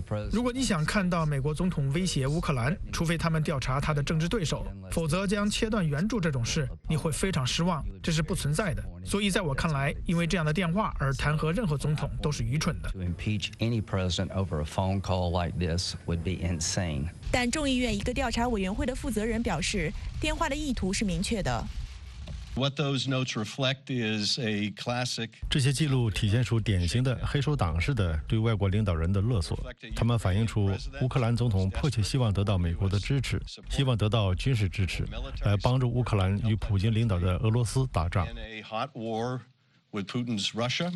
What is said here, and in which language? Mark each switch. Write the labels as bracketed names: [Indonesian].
[Chinese] 如果你想看到美国总统威胁乌克兰，除非他们调查他的政治对手，否则将切断援助这种事，你会非常失望，这是不存在的。所以在我看来，因为这样的电话而弹劾任何总统都是愚蠢的。但众议院一个调查委员会的负责人表示，电话的意图是明确的。 [English] What those notes reflect is a classic. [Chinese] 这些记录体现出典型的黑手党式的对外国领导人的勒索。他们反映出乌克兰总统迫切希望得到美国的支持，希望得到军事支持，来帮助乌克兰与普京领导的俄罗斯打仗。 [English] with Putin's Russia.